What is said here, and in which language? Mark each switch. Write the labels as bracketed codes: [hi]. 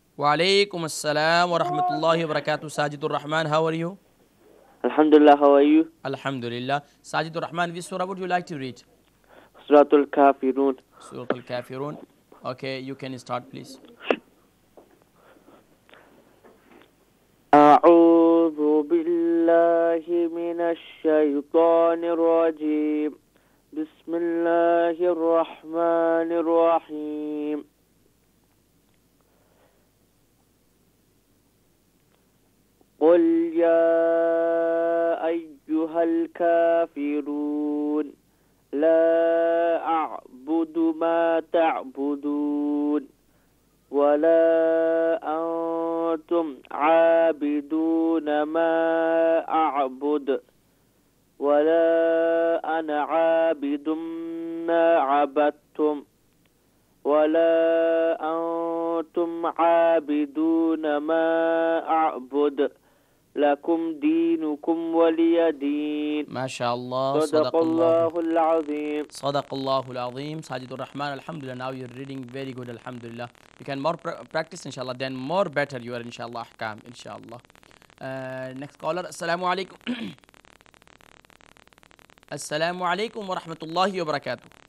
[ar] Wa alaikum assalam wa rahmatullahi wa barakatuh. [en] Sajidur Rahman, how are you? Alhamdulillah, how are you? [ar] Alhamdulillah. [en] Sajidur Rahman, which surah would you like to read? [ar] Suratul Kafirun. Suratul Kafirun. [en] Okay, you can start, please. [ar] أعوذ بالله من الشيطان الرجيم. بسم الله الرحمن الرحيم. قل يا أيها الكافرون لا أعبد ما تعبدون ولا أنتم عابدون ما أعبد ولا أنا عابد ما عبدتم ولا أنتم عابدون ما أعبد لكم دينكم ولي دين. ما شاء الله. صدق الله العظيم. صدق الله العظيم. ساجد الرحمن. الحمد لله. [en] Now you're reading very good. [ar] الحمد لله. [en] You can more practice [ar] إن شاء الله. [en] Then more better you are [ar] إن شاء الله أحكام إن شاء الله. [en] Next caller. [ar] السلام عليكم. السلام عليكم ورحمة الله وبركاته.